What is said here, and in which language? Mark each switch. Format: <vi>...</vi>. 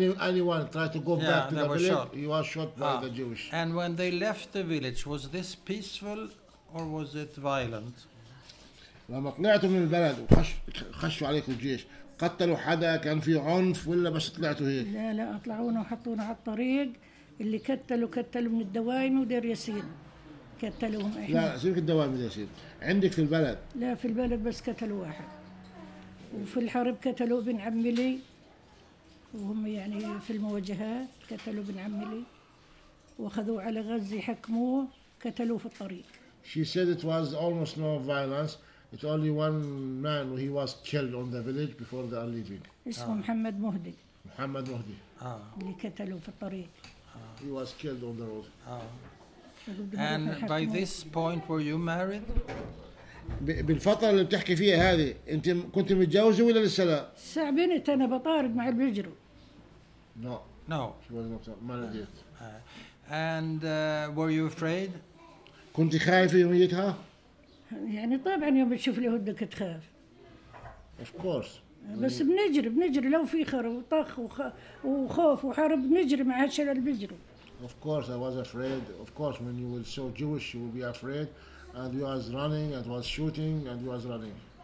<en>Anyone tried to go back to the village, you are shot by the Jewish. And when they left the village, was this peaceful or was it violent?</en> <ar>لما طلعتوا من البلد وخشوا عليكم الجيش قتلوا حدا كان في عنف ولا بس طلعتوا هيك؟ لا أطلعونا وحطونا على الطريق اللي كتلوا من الدوائم ودير ياسين كتلوهم لا سيبك الدوائم ودير ياسين عندك في البلد لا في البلد بس كتلوا واحد وفي الحرب كتلوا ابن عمي لي وهم يعني في المواجهات كتلوا بن عمي لي وخذوا على غزة حكموه كتلوا في الطريق.</ar> <en>She said it was almost no violence. It's only one man who he was killed on the village before they are leaving.</en> <ar>اسمه محمد مهدي. محمد مهدي. اللي كتلوا في الطريق.</ar> <en>He was killed on the road. And by this point, were you married?</en> <ar>بالفترة اللي بتحكي فيها هذه انت كنت متجوزة ولا لسه لا ساع بنت انا بطارد مع البجرو</ar> <en>No. She was not married yet. And were you afraid</en> <ar>كنت خايفة يوميتها يعني طبعا يوم بتشوف اليهود كنت خايف</ar> <en>Of course</en> <ar>بس بنجري لو في خرب وطخ وخوف وحرب نجري مع هالشلة البجرو</ar> <en>Of course I was afraid Of course when you were so Jewish you would be afraid And you was running, and was shooting, and you was running.</en>